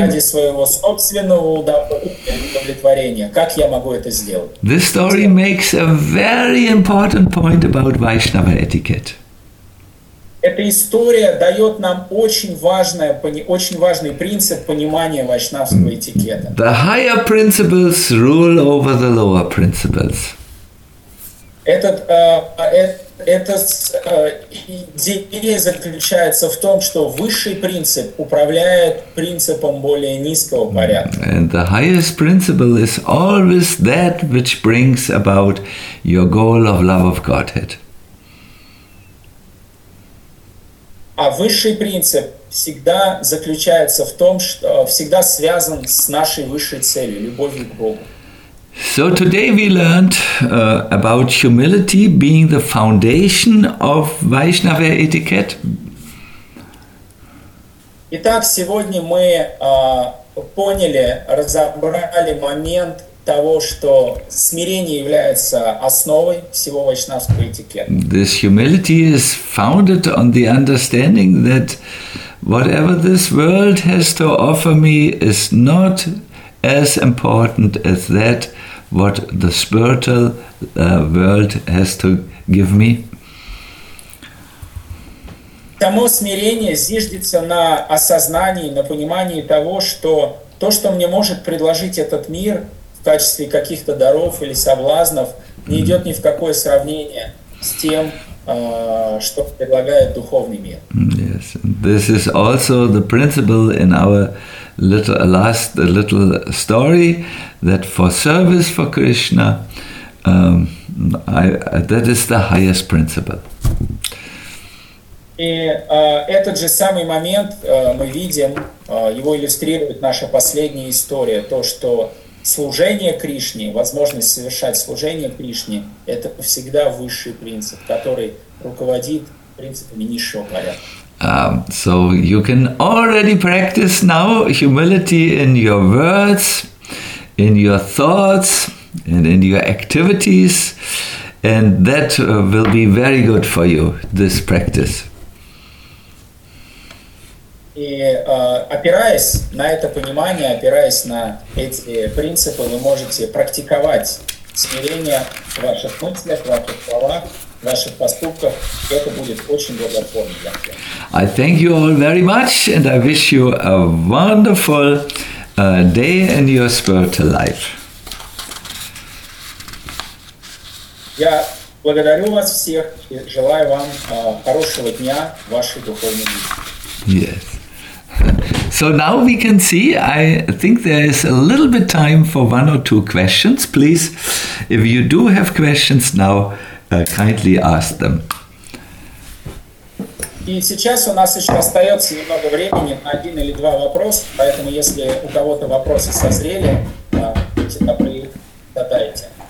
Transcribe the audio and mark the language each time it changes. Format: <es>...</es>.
<ru>ради своего собственного удовлетворения. Как я могу это сделать?</ru> <en>This story makes a very important point about Vaishnava etiquette.</en> <ru>Эта история дает нам очень важный принцип понимания вайшнавского этикета.</ru> <en>The higher principles rule over the lower principles.</en> <ru>Идея заключается в том, что высший принцип управляет принципом более низкого порядка.</ru> <en>And the highest principle is always that which brings about your goal of love of Godhead.</en> <ru>А высший принцип всегда заключается в том, что всегда связан с нашей высшей целью — любовью к Богу.</ru> <en>So today we learned about humility being the foundation of Vaishnava etiquette.</en> <ru>Итак, сегодня мы поняли, разобрали момент того, что смирение является основой всего вайшнавского этикета.</ru> <en>This humility is founded on the understanding that whatever this world has to offer me is not as important as that what the spiritual world has to give me.</en> <ru>Само смирение зиждется на осознании, на понимании того, что то, что мне может предложить этот мир в качестве каких-то даров или соблазнов, не идет ни в какое сравнение с тем, что предлагает духовный мир.</ru> <en>Yes, this is also the principle in our little story that for service for Krishna, that is the highest principle.</en> <ru>И этот же самый момент мы видим, его иллюстрирует наша последняя история, то, что служение Кришне, возможность совершать служение Кришне — это всегда высший принцип, который руководит принципами низшего порядка.</ru> <en>So you can already practice now humility in your words, in your thoughts, and in your activities, and that will be very good for you, this practice.</en> <ru>И опираясь на это понимание, опираясь на эти принципы, вы можете практиковать смирение в ваших мыслях, в ваших словах, в ваших поступках. Это будет очень благотворно для вас.</ru> <en>I thank you all very much, and I wish you a wonderful day in your spiritual life.</en> <ru>Я благодарю вас всех и желаю вам хорошего дня в вашей духовной жизни.</ru> <en>Yes. So now we can see, I think there is a little bit time for one or two questions. Please, if you do have questions now, kindly ask them.</en> <ru>И сейчас у нас еще остается немного времени на один или два вопроса, поэтому если у кого-то вопросы созрели, можете задайте.</ru>